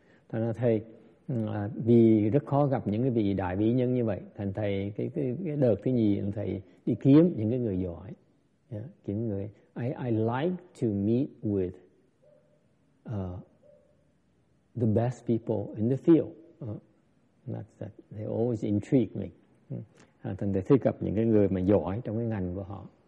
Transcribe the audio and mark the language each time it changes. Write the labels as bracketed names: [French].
[Vietnamese] Thành ra thầy vì rất khó gặp những cái vị đại vị nhân như vậy, thành thầy cái đợt thứ nhì thầy đi kiếm những cái người giỏi, kiếm người. [English] I like to meet with the best people in the field. That's that. They always intrigue me. [Vietnamese] Thành thầy thích gặp những cái người mà giỏi trong cái ngành của họ.